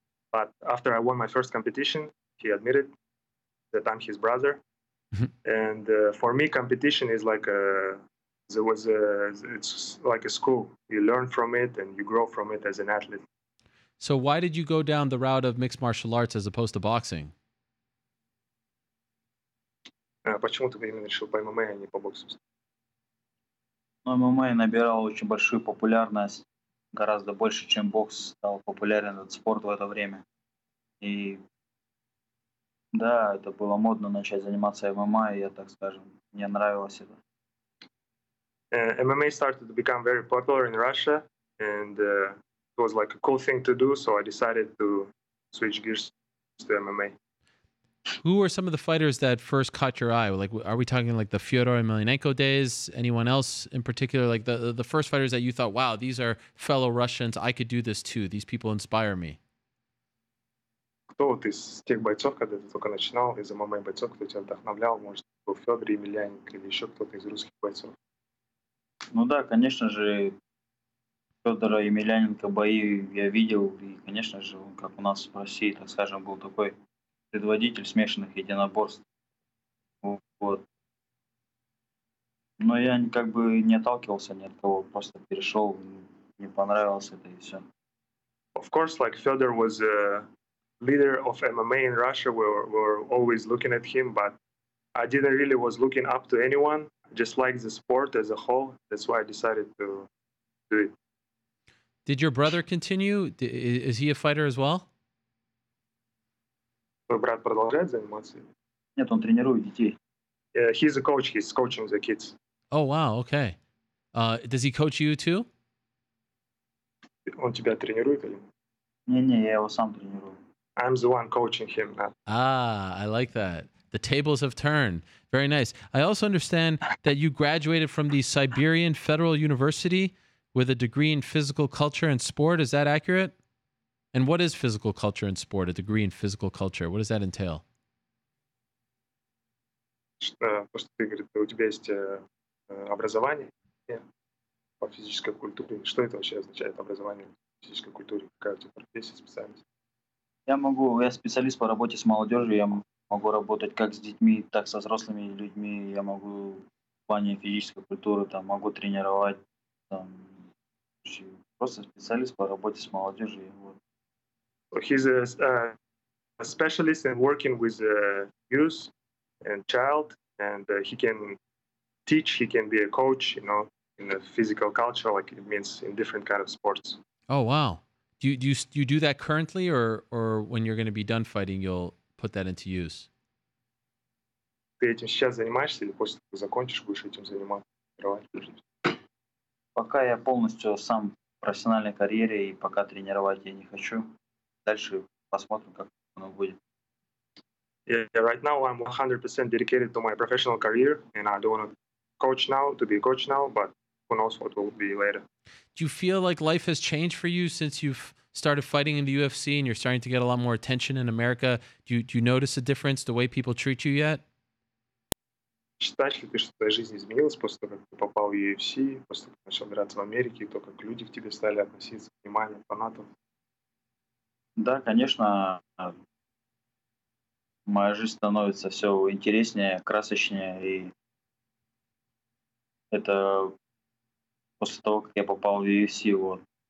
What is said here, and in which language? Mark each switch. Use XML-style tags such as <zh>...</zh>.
<en>But after I won my first competition, he admitted that I'm his brother. And for me, competition is like it's like a school. You learn from it and you grow from it as an athlete. So why did you go down the route of mixed martial arts as opposed to boxing?</en> <ru>Почему ты именно решил по ММА, а не по боксу? Ну, ММА набирал очень большую популярность, гораздо больше, чем бокс стал популярен этот спорт в это время. И да, это было модно начать заниматься ММА, и я, так скажем, мне нравилось это.</ru> <en>ММА started to become very popular in Russia, and it was like a cool thing to do, so I decided to switch gears to ММА. Who were some of the fighters that first caught your eye? Like, are we talking like the Fyodor Emelianenko days? Anyone else in particular? Like the first fighters that you thought, wow, these are fellow Russians. I could do this too. These people inspire me.</en> <ru>Кто вот из тех бойцов, когда ты только начинал, из ММА бойцов, кто тебя вдохновлял? Может, был Федор Емельяненко или еще кто-то из русских бойцов? Ну да, конечно же, Федора Емельяненко бои я видел. И, конечно же, он как у нас в России, так скажем, был такой предводитель смешанных единоборств. Вот. Но я как бы не отталкивался ни от кого, просто перешел, не понравилось это и все.</ru> <en>Of course, like Fedor was a leader of MMA in Russia, we were always looking at him, but I didn't really was looking up to anyone, just like the sport as a whole, that's why I decided to do it. Did your brother continue? Is he a fighter as well?</en> <ru>Твой брат продолжает заниматься? Нет, он тренирует детей.</ru> <en>He's a coach. He's coaching the kids. Oh, wow. Okay. Does he coach you too?</en> <ru>Он тебя тренирует или? Не-не, я его сам тренирую.</ru> <en>I'm the one coaching him now. Ah, I like that. The tables have turned. Very nice. I also understand that you graduated from the Siberian Federal University with a degree in physical culture and sport. Is that accurate? And what is physical culture in sport, a degree in physical culture? What does that entail?</en> <ru>Просто ты говоришь, у тебя есть образование. по физической культуре? Что это вообще означает образование в физической культуре? Какая у тебя профессия, специальность? Я специалист по работе с молодежью. Я могу работать как с детьми, так и со взрослыми людьми. Я могу в плане физической культуры, там, могу тренировать. Там, просто специалист по работе с молодежью. Вот.</ru> <en>So he's a specialist in working with youth and child, and he can teach, he can be a coach, you know, in the physical culture, like it means in different kind of sports. Oh, wow. Do you do that currently, or when you're going to be done fighting, you'll put that into use?</en> <ru>Ты этим сейчас занимаешься, или после того, как закончишь, будешь этим заниматься? Пока я полностью сам в профессиональной карьере, и пока тренировать я не хочу. Дальше посмотрим, как оно будет.</ru> <en>Yeah, right now I'm 100% dedicated to my professional career, and I don't want to coach now, to be a coach now, but who knows what will be later. Do you feel like life has changed for you since you've started fighting in the UFC and you're starting to get a lot more attention in America? Do you notice a difference the way people treat you yet?</en> <ru>Считаешь ли ты, что твоя жизнь изменилась после того, как ты попал в UFC, после того, как начал драться в Америке, то, как люди к тебе стали относиться, внимание, фанатов? Да, конечно. Моя жизнь становится все интереснее, красочнее, и это после того, как я попал в UFC, вот.</ru>